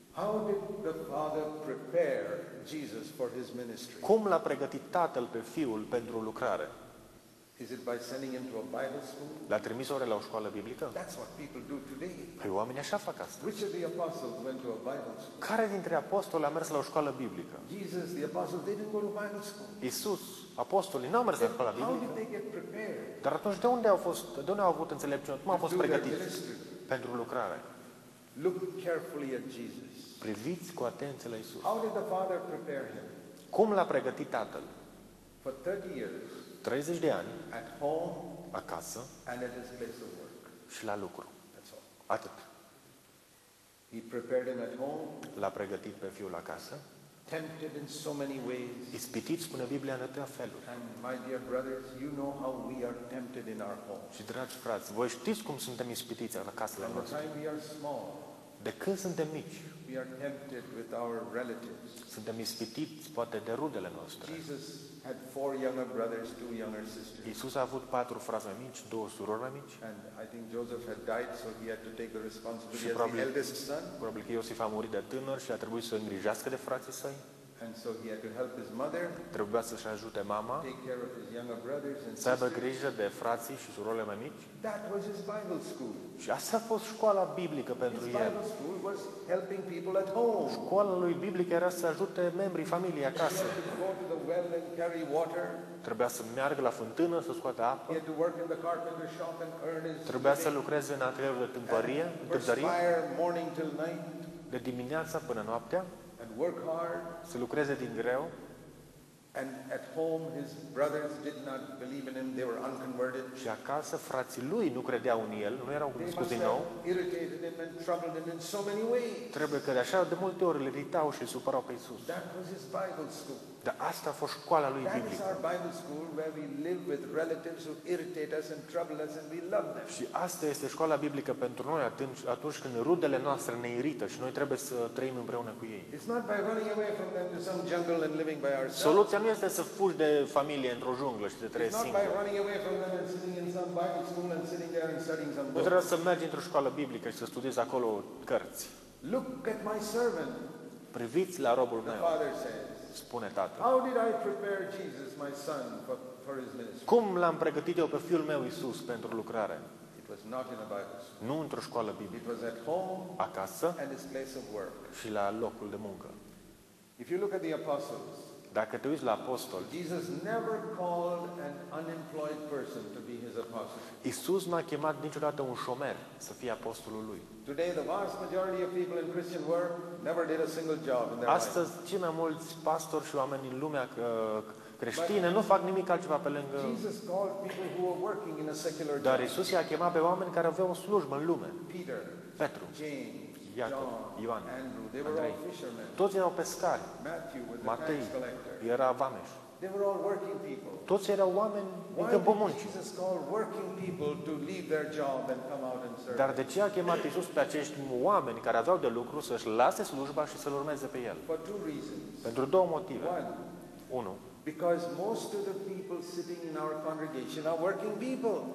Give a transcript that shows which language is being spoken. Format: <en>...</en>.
<en>How did the Father prepare Jesus for his ministry?</en> <ro>Cum l-a pregătit Tatăl pe Fiul pentru lucrare?</ro> <en>Is it by sending him to a Bible school?</en> <ro>L-a trimis oare la o școală biblică?</ro> <en>That's what people do today.</en> <ro>Păi oamenii așa fac asta.</ro> <en>Which of the apostles went to a Bible school?</en> <ro>Care dintre apostoli a mers la o școală biblică?</ro> <en>Jesus, the apostles, they didn't go to Bible school.</en> <ro>Iisus, apostolii, n-au mers la școală biblică.</ro> <en>How did they get prepared?</en> <ro>Dar atunci de unde au fost, de unde au avut înțelepciune? Cum au fost pregătiți pentru lucrare?</ro> <en>Look carefully at Jesus.</en> <ro>Priviți cu atenție la Isus.</ro> <en>How did the Father prepare him?</en> <ro>Cum l-a pregătit Tatăl?</ro> <en>For 30 years.</en> <ro>30 de ani.</ro> <en>At home.</en> <ro>Acasă.</ro> <en>And at his place of work.</en> <ro>Și la lucru.</ro> <en>That's all.</en> <ro>Atât.</ro> <en>He prepared him at home.</en> <ro>L-a pregătit pe fiul acasă.</ro> <en>Tempted in so many ways.</en> <ro>Ispitit, spune Biblia, în atâtea feluri.</ro> <en>And my dear brothers, you know how we are tempted in our home.</en> <ro>Și dragi frați, voi știți cum suntem ispitiți în casele noastre.</ro> <en>We are small.</en> <ro>De când suntem mici,</ro> <en>we are tempted with our relatives.</en> <ro>Suntem ispitiți, poate, de rudele noastre.</ro> <en>Jesus had four younger brothers, two younger sisters.</en> <ro>Iisus a avut patru frați mai mici, două surori mai mici.</ro> <en>And I think Joseph had died, so he had to take the responsibility as the eldest son.</en> <ro>Probabil că Iosif a murit de tânăr și a trebuit să îngrijească de frații săi.</ro> <en>And so he had to help his mother.</en> <ro>Trebuia să-și ajute mama.</ro> <en>Take care of his younger brothers and</en> <ro>sisters. Să aibă grijă de frații și surorile mai mici.</ro> <en>That was his Bible school.</en> <ro>Și asta a fost școala biblică pentru el.</ro> <en>His Bible school was helping people at home.</en> <ro>Școala lui biblică era să ajute membrii familiei acasă.</ro> <en>He had to go to the well and carry water.</en> <ro>Trebuia să meargă la fântână să scoată apă.</ro> <en>He had to work in the carpenter shop and earn his.</en> <ro>Trebuia să lucreze în atelierul de tâmpărie,</ro> <en>morning till night.</en> <ro>De dimineața până noaptea.</ro> <en>And work hard.</en> <ro>Să lucreze din greu.</ro> <en>And at home his brothers did not believe in him. They were unconverted.</en> <ro>Și acasă frații lui nu credeau în el, nu erau crescuți din nou.</ro> <en>Irritated him and troubled him in so many ways.</en> <ro>Trebuie că de așa de multe ori le iritau și îl supărau pe Iisus.</ro> <en>That was his Bible school.</en> <ro>Dar asta a fost școala lui biblică.</ro> <en>That is our Bible school where we live with relatives who irritate us and trouble us and we love them.</en> <ro>Și asta este școala biblică pentru noi atunci când rudele noastre ne irită și noi trebuie să trăim împreună cu ei.</ro> <en>It's not by running away from them to some jungle and living by ourselves.</en> <ro>Soluția nu este să fugi de familie într-o junglă și să trăiești singur.</ro> <en>It's not by running away from them and sitting in some Bible school and sitting there and studying some books.</en> <ro>Nu trebuie să mergi într-o școală biblică și să studiezi acolo cărți.</ro> <en>Look at my servant.</en> <ro>Priviți la robul</ro> <en>the</en> <ro>meu.</ro> <en>Father said,</en> <ro>spune Tatăl.</ro> <en>How did I prepare Jesus, my son, for his ministry?</en> <ro>Cum l-am pregătit eu pe fiul meu Iisus pentru lucrare?</ro> <en>It was not in a Bible school.</en> <ro>Nu într-o școală biblică.</ro> <en>It was at home.</en> <ro>Acasă.</ro> <en>And his place of work.</en> <ro>Și la locul de muncă.</ro> <en>If you look at the apostles.</en> <ro>Dacă te uiți la apostoli.</ro> <en>Jesus never called an unemployed person to be his apostle.</en> <ro>Iisus n-a chemat niciodată un șomer să fie apostolul lui.</ro> <en>Today the vast majority of people in Christian world never did a single job in their life.</en> <ro>Astăzi cei mai mulți pastori și oameni în lumea creștină nu fac nimic altceva pe lângă.</ro> <en>Jesus called people who were working in a secular job.</en> <ro>Dar Iisus i-a chemat pe oameni care aveau o slujbă în lume.</ro> <en>Peter,</en> <ro>Petru,</ro> <en>James,</en> <ro>Iacob, Ioan,</ro> <en>Andrew, they were</en> <ro>Andrei,</ro> <en>all fishermen.</en> <ro>Toți erau pescari.</ro> <en>Matthew,</en> <ro>Matei</ro> <en>tax collector.</en> <ro>Era vameș.</ro> <en>They were all working people.</en> <ro>Toți erau oameni în câmpul muncii.</ro> <en>Jesus called working people to leave their job and come out and serve.</en> <ro>Dar de ce a chemat Iisus pe acești oameni care aveau de lucru să-și lase slujba și să-l urmeze pe el?</ro> <en>For two reasons.</en> <ro>Pentru două motive.</ro> <en>One.</en> <ro>Unu.</ro> <en>Because most of the people sitting in our congregation are working people.</en>